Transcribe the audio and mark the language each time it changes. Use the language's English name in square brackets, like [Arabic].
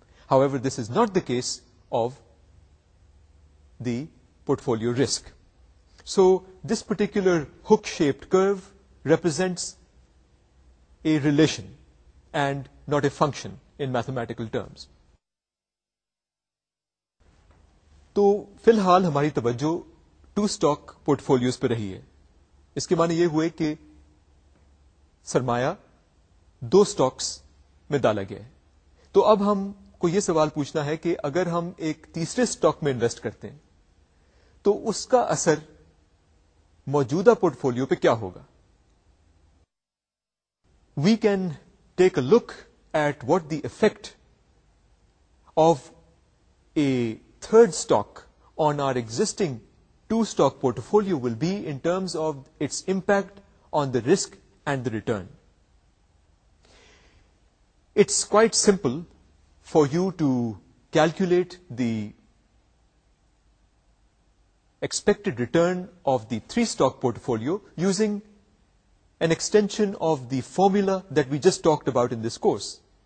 [English] However, this is not the case of the portfolio risk. So this particular hook-shaped curve represents a relation and not a function in mathematical terms. [Urdu] تو فی الحال ہماری توجہ to stock پورٹفولیوز پہ رہی ہے. اس کے معنی یہ ہوئے کہ سرمایہ دو اسٹاکس میں ڈالا گیا ہے. تو اب ہم کو یہ سوال پوچھنا ہے کہ اگر ہم ایک تیسرے اسٹاک میں انویسٹ کرتے ہیں تو اس کا اثر موجودہ پورٹفولیو پہ کیا ہوگا. [English] We can take a look at what the effect of a third stock on our existing two-stock portfolio will be in terms of its impact on the risk and the return. It's quite simple for you to calculate the expected return of the three-stock portfolio using an extension of the formula that we just talked about in this course.